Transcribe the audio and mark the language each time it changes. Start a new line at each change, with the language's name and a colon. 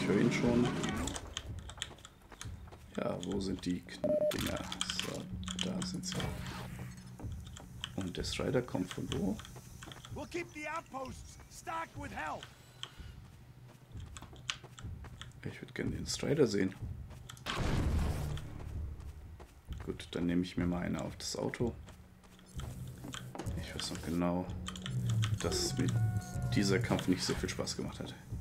German: schon. Ja, wo sind die Dinger? So, da sind sie. Und der Strider kommt von wo?
English: We'll keep the outposts stocked with help.
German: Ich würde gerne den Strider sehen. Gut, dann nehme ich mir mal eine auf das Auto. Ich weiß noch genau, dass mir dieser Kampf nicht so viel Spaß gemacht hat.